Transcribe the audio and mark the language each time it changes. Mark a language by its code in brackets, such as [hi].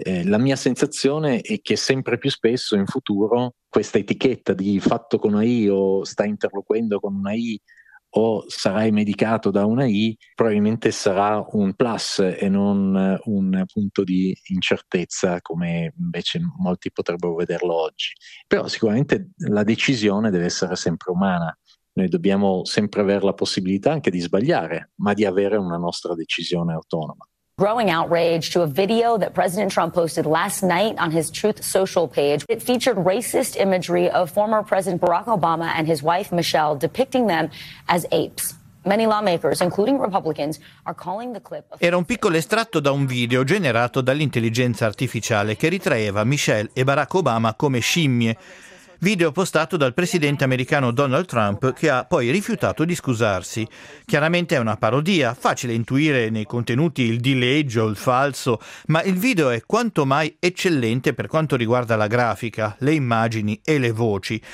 [it] La mia sensazione è che sempre più spesso in futuro questa etichetta di fatto con AI o sta interloquendo con una AI o sarai medicato da una AI probabilmente sarà un plus e non un punto di incertezza, come invece molti potrebbero vederlo oggi. Però sicuramente la decisione deve essere sempre umana. Noi dobbiamo sempre avere la possibilità anche di sbagliare, ma di avere una nostra decisione autonoma. [en] Growing outrage to a video that President Trump posted last night on his Truth Social page. It featured racist imagery of former President Barack Obama and his wife Michelle depicting them as apes. Many lawmakers, including Republicans, are calling the clip. [it] Era un piccolo estratto da un video generato dall'intelligenza artificiale che ritraeva Michelle e Barack Obama come scimmie. Video postato dal presidente americano Donald Trump, che ha poi rifiutato di scusarsi. Chiaramente è una parodia, facile intuire nei contenuti il dileggio, il falso, ma il video è quanto mai eccellente per quanto riguarda la grafica, le immagini e le voci.